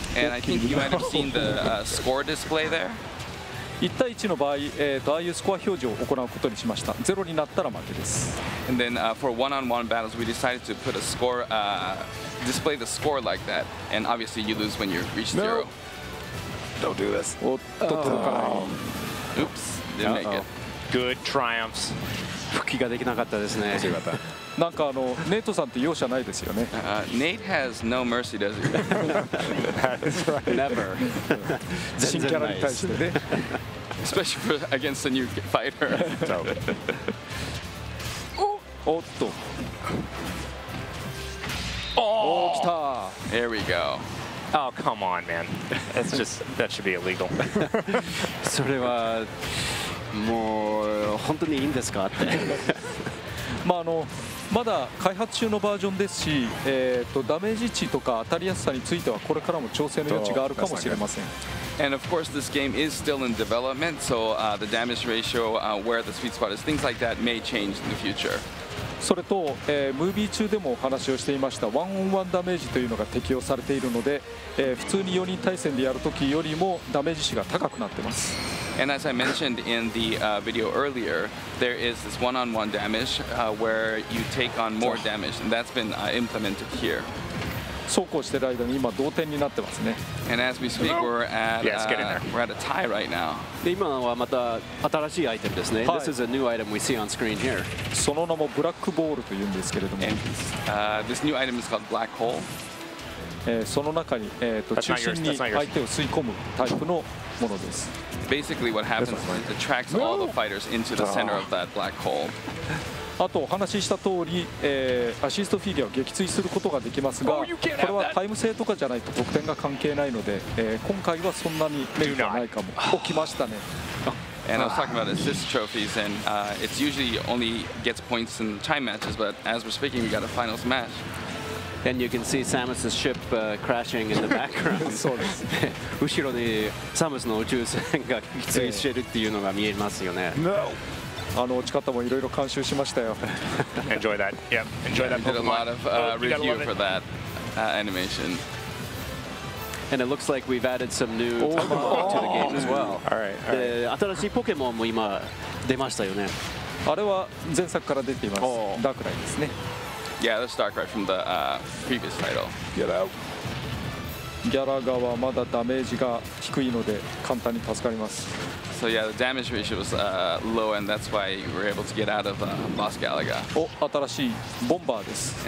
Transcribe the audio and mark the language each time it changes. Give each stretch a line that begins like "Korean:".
English: And I think you might have seen the score display there.
Japanese: 1対1の場合、ああいうスコア表示を行うことにしました。ゼロになったら負けです。
English: And then for one-on-one battles, we decided to put a score, display the score like that. And obviously, you lose when you reach zero. No. Don't do this. Oops, didn't make it. Good triumphs.
Japanese: 復帰ができなかったですね。なんかネイトさんって容赦ないですよね。
English: Nate has no mercy, does he? That is right. Never.
Japanese: 新キャラに対してね。
English: Especially for, against a new fighter.
Japanese: おっと。おー、来た。
English: There we go. Oh, come on, man. That's just, that should be illegal.
Japanese: それはもう本当にいいんですかって。まあまだ開発中のバージョンですし、ダメージ値とか当たりやすさについてはこれからも調整の余地があるかもしれません。
English: And of course this game is still in development, so the damage ratio, where the sweet spot is, things like that may change in the future.
Japanese: それと、ムービー中でもお話をしていましたワンオンワンダメージというのが適用されているので、普通に4人対戦でやるときよりもダメージ値が高くなってます。
English: And as I mentioned in the video earlier, there is this one-on-one damage where you take on more damage, and that's been implemented here.
Japanese: そうこうしてる間に今同点になってますね。
English: And as we speak, we're at, we're at a tie right now.
Japanese: 今はまた新しいアイテムですね。
English: はい、This is a new item we see on screen here.
Japanese: その名もブラックボールというんですけれども。
English: And, this new item is called Black Hole.
Japanese: その中に、中心に相手を吸い込むタイプのものです。
English: Basically, what happens is it attracts all the fighters into the center of that black hole.
Japanese: あとお話しした通り、アシストフィギュアを撃墜することができますが、これはタイム制とかじゃないと得点が関係ないので、今回はそんなにメリットないかも。起きましたね。
English: And I was talking about assist trophies, and it's usually only gets points in time matches, but as we're speaking, we got a finals match. And you can see Samus's ship crashing in the background.
Japanese: そうです。後ろにサムスの宇宙船が撃墜してるっていうのが見えますよね。
English: No.
Japanese: あの落ち方もいろいろ監修しましたよ。
English: Enjoy that. Yep. Enjoy that. Did a lot of review for that animation. And it looks like we've added some new Pokemon to the game as well. All right.
Japanese: 新しいポケモンも今出ましたよね。あれは前作から出ています。 Oh. ダークライですね。
English: Yeah, the Starcry from the previous title. Get out.
Japanese: Galaga はまだダメージが低いので簡単に助かります。
English: So yeah, the damage ratio was low, and that's why we were able to get out of Lost Galaga.
Japanese: お、新しいボンバーです。